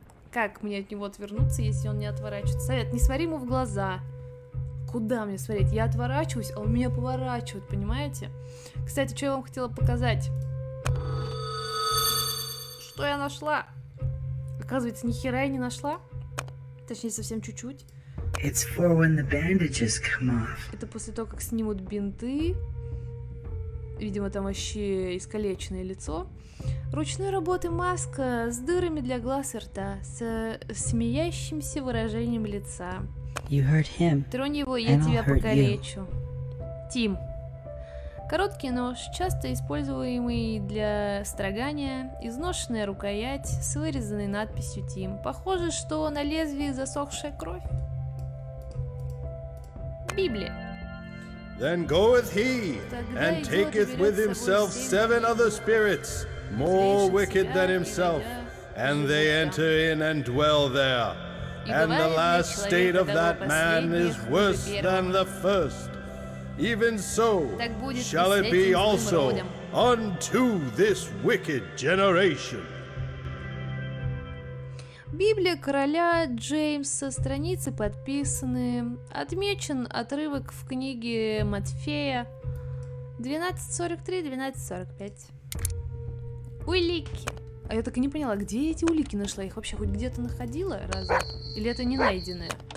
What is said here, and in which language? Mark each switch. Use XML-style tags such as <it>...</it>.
<ru>Как мне от него отвернуться, если он не отворачивается? Совет, не смотри ему в глаза. Куда мне смотреть? Я отворачиваюсь, а он меня поворачивает, понимаете? Кстати, что я вам хотела показать? Что я нашла? Оказывается, нихера я не нашла. Точнее, совсем чуть-чуть.</ru> <en>It's for when the bandages come off.</en> <ru>Это после того, как снимут бинты. Видимо, там вообще искалеченное лицо. Ручной работы маска с дырами для глаз и рта. С смеящимся выражением лица.</ru> <en>You hurt him.</en> <ru>Тронь его, я тебя покалечу. Тим. Короткий нож, часто используемый для строгания, изношенная рукоять с вырезанной надписью Тим. Похоже, что на лезвии засохшая кровь. Библия.</ru> <en>Then goeth he, and taketh with himself 7 other spirits, more wicked than himself, and they enter in and dwell there. And the last state of that man is worse than the first. Even so shall it be also unto this wicked generation.</en> <ru>Библия короля Джеймса, страницы подписаны, отмечен отрывок в книге Матфея, 12:43-12:45. Улики. А я так и не поняла, где я эти улики нашла? Их вообще хоть где-то находила разве? Или это не найденные?</ru>